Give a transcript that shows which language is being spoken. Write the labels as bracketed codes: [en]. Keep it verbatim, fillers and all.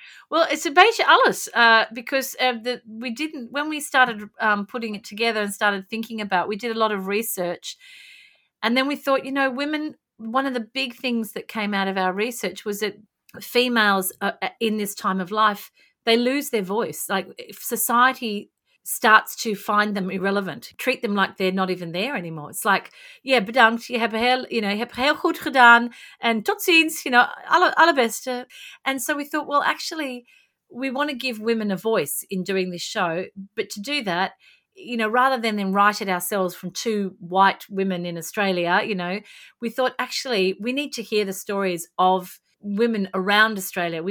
[en] Well, it's a [nl] beetje alles [en] uh, because uh, the, we didn't when we started um, putting it together and started thinking about. We did a lot of research, and then we thought, you know, women. One of the big things that came out of our research was that females are, in this time of life, they lose their voice. Like if society starts to find them irrelevant, treat them like they're not even there anymore. It's like, yeah, [nl] bedankt, je hebt heel, [en] you know, [nl] je hebt heel goed gedaan, [en] and [nl] tot ziens, you know, alle, allerbeste. [en] And so we thought, well, actually, we want to give women a voice in doing this show, but to do that, you know, rather than then write it ourselves from two white women in Australia, you know, we thought, actually, we need to hear the stories of women around Australia.